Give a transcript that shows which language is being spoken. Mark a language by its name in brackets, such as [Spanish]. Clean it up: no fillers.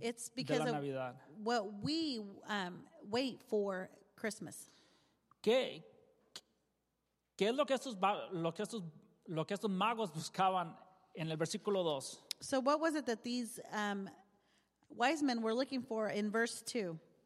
[English] It's because of what we wait for Christmas. [Spanish] ¿Qué es lo que estos magos buscaban en el versículo 2? [English] So what was it that these wise men were looking for in verse 2?